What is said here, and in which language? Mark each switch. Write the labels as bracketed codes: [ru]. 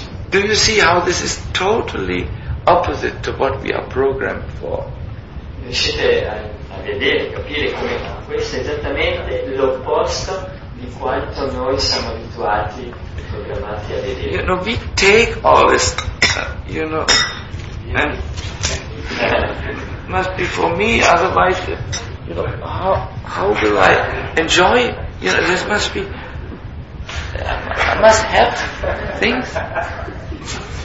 [en] Do you see how this is totally opposite to what we are programmed for? [it] Riuscite a vedere, capire come questo è esattamente l'opposto di quanto noi siamo abituati, programmati a vedere. [en] You know, we take all this, you know, and must be for me, otherwise, you know, how will I enjoy? You know, this must be, I must have things.